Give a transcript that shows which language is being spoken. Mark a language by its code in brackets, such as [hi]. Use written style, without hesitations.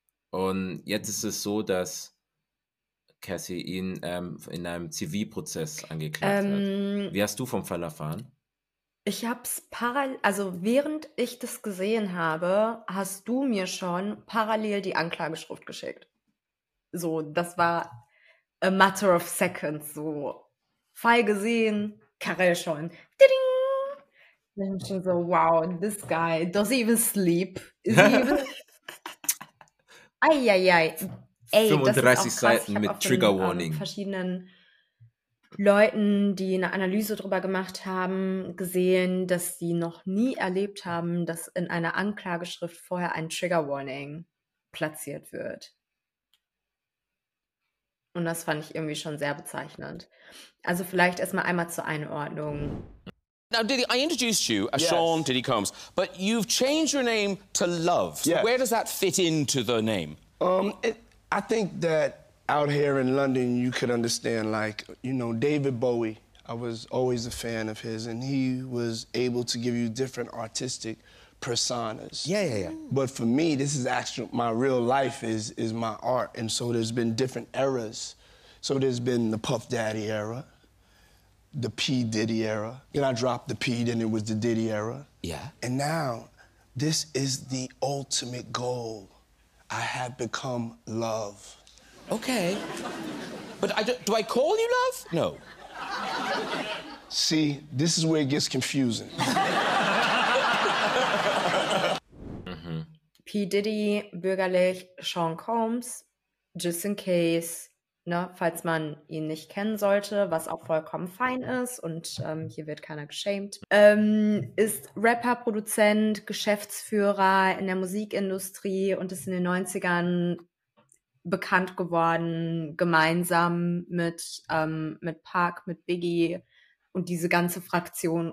[de] Und jetzt ist es so, dass Cassie ihn in einem Zivilprozess angeklagt hat. Wie hast du vom Fall erfahren? Ich habe es während ich das gesehen habe, hast du mir schon parallel die Anklageschrift geschickt. So, das war [en] a matter of seconds. [de] So, Fall gesehen, Karel schon. Diding! Dann schon so, [en] wow, this guy, does he even sleep? Is he even... Eieiei. [de] Ey, 35 Seiten mit Trigger Warning. Verschiedenen Leuten, die eine Analyse darüber gemacht haben, gesehen, dass sie noch nie erlebt haben, dass in einer Anklageschrift vorher ein Trigger Warning platziert wird. Und das fand ich irgendwie schon sehr bezeichnend. Also vielleicht erstmal einmal zur Einordnung. [en] Now, Diddy, I introduced you as Sean Diddy Combs, but you've changed your name to Love. So where does that fit into the name? I think that out here in London, you could understand, like, you know, David Bowie. I was always a fan of his, and he was able to give you different artistic personas. Yeah. But for me, this is actually my real life is my art, and so there's been different eras. So there's been the Puff Daddy era, the P. Diddy era. Then I dropped the P, then it was the Diddy era. Yeah. And now, this is the ultimate goal. I have become Love. Okay, but do I call you Love? No. See, this is where it gets confusing. P. P. [de] Diddy, bürgerlich, Sean Combs, [en] just in case, [de] ne, falls man ihn nicht kennen sollte, was auch vollkommen fein ist und hier wird keiner geschämt, ist Rapper, Produzent, Geschäftsführer in der Musikindustrie und ist in den 90ern bekannt geworden, gemeinsam mit Park, mit Biggie und diese ganze Fraktion.